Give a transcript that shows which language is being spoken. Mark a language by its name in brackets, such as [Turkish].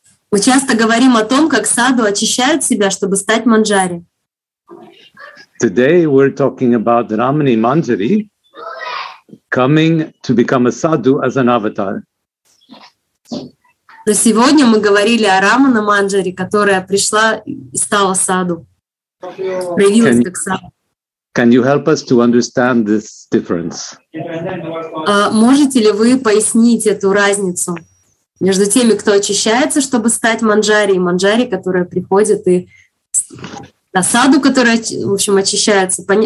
[Russian] Мы часто говорим о том, как саду очищает себя, чтобы стать манджари. [English] Today we're talking about Ramani Manjari coming to become a sadhu as an avatar. [Russian] Но сегодня мы говорили о Рамана Манджари, которая пришла и стала саду, проявилась как саду. [English] Can you help us to understand this difference? [Russian] Можете ли вы пояснить эту разницу между теми, кто очищается, чтобы стать манджари, и манджари, которая приходит, и саду, которая, в общем, очищается?